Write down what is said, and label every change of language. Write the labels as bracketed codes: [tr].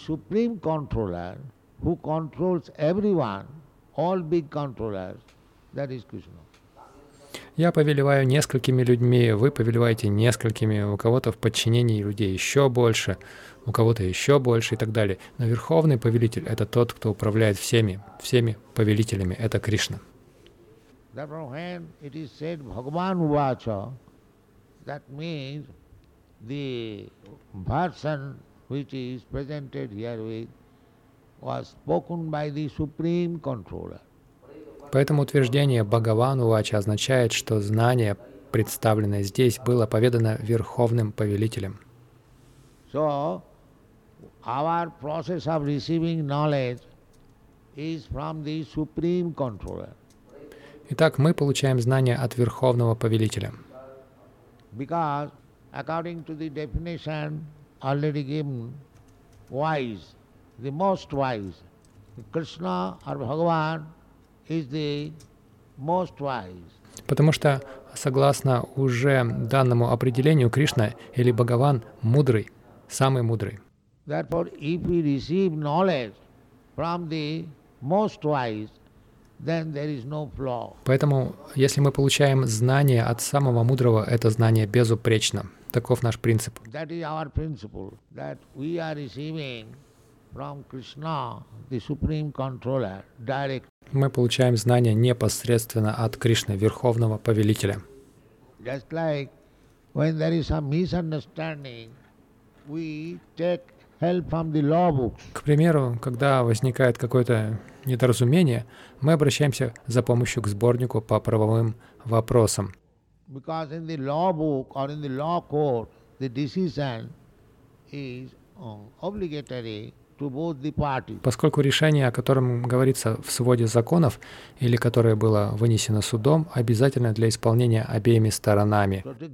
[en] Who controls everyone, all big controllers, that is Krishna. [ru] Я повелеваю несколькими людьми, вы повелеваете несколькими, у кого-то в подчинении людей еще больше, у кого-то еще больше и так далее. Но Верховный Повелитель — это тот, кто управляет всеми, всеми повелителями, это Кришна. [en] Therefore, it is said, Bhagavan Uvacha, that means the version which is presented here with was spoken by the supreme controller. [ru] Поэтому утверждение Бхагаван Увача означает, что знание, представленное здесь, было поведано Верховным Повелителем. [en] So, our process of receiving knowledge is from the supreme controller. [ru] Итак, мы получаем знание от Верховного Повелителя. [en] Because, according to the definition already given, wise, the most wise, Krishna or Bhagavan is the most wise. [ru] Потому что, согласно уже данному определению, Кришна или Бхагаван мудрый, самый мудрый. [en] Therefore, if we receive knowledge from the most wise, then there is no flaw. [ru] Поэтому, если мы получаем знание от самого мудрого, это знание безупречно. Таков наш принцип. [en] That is our principle, that we are receiving from Krishna, the supreme controller, direct. [ru] Мы получаем знания непосредственно от Кришны, Верховного Повелителя. [en] Just like when there is some misunderstanding, we take help from the law books. [ru] К примеру, когда возникает какое-то недоразумение, мы обращаемся за помощью к сборнику по правовым вопросам. [en] Because in the law book or in the law court, the decision is obligatory. [ru] Поскольку решение, о котором говорится в своде законов, или которое было вынесено судом, обязательно для исполнения обеими сторонами.